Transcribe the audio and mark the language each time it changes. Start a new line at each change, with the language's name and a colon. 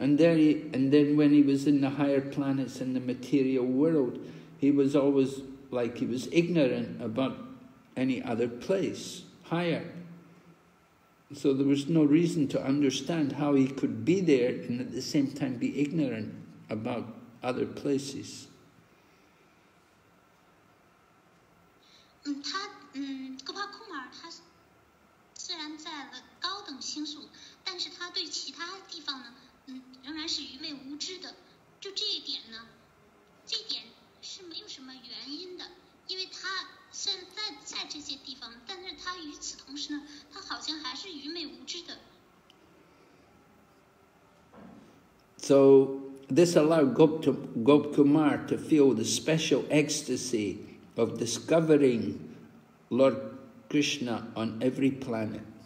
English: And then when he was in the higher planets in the material world, he was always like he was ignorant about any other place higher. So there was no reason to understand how he could be there and at the same time be ignorant about other places.
Chinese: 他仍然是愚昧无知的，就这一点呢，这一点是没有什么原因的，因为他现在在这些地方，但是他与此同时呢，他好像还是愚昧无知的。
English: So this allowed Gopakumar to feel the special ecstasy of discovering Lord Krishna on every planet.